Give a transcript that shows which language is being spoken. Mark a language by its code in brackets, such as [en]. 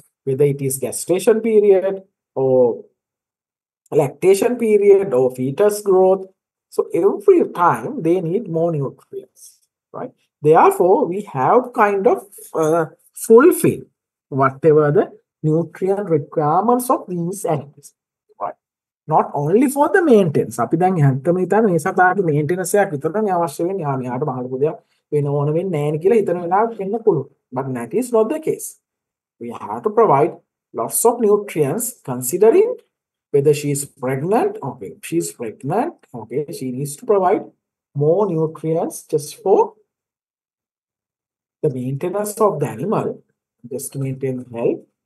[en] Whether it is gestation period or lactation period or fetus growth. So every time they need more nutrients, right? Therefore, we have kind of fulfill whatever the nutrient requirements of these animals, right? Not only for the maintenance. [si] අපි දැන් හැමතෙම හිතන්නේ මේ සතාට maintenance එකක් විතරනේ අවශ්‍ය වෙන්නේ. ආ මෙයාට මහලු පොදයක් වෙන ඕන වෙන්නේ නැහැ නේ කියලා හිතන වෙලාවක වෙන්න පුළුවන්. [en] But that is not the case. We have to provide lots of nutrients considering whether she is pregnant. Okay, she is pregnant. Okay, she needs to provide more nutrients just for the maintenance of the animal, just to maintain health.